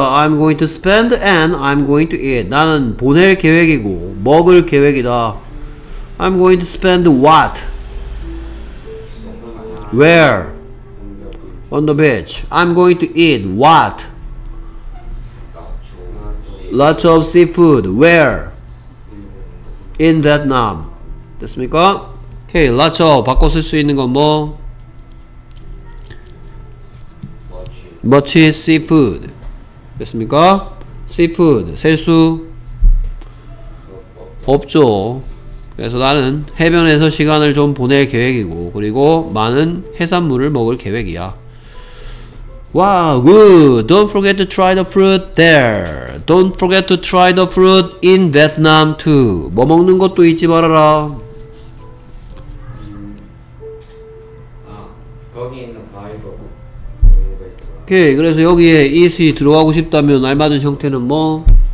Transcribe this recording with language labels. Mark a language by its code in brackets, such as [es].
[en] I'm going to spend and I'm going to eat. [ko] 나는 보낼 계획이고 먹을 계획이다. [en] I'm going to spend what? where? on the beach. I'm going to eat what? lots of seafood. where? in Vietnam. [ko] 됐습니까? [en] okay, lots of. [ko] 바꿔 쓸 수 있는 건 뭐? [en] much seafood. [ko] 됐습니까? seafood. 셀 수? 없죠. 그래서 나는 해변에서 시간을 좀 보낼 계획이고, 그리고 많은 해산물을 먹을 계획이야. [en] Wow, good. Don't forget to try the fruit there. Don't forget to try the fruit in Vietnam too. [ko] 뭐 먹는 것도 잊지 말아라. 거기 있는 바이브. 오케이. 그래서 여기에 it이 들어가고 싶다면 알맞은 형태는 뭐?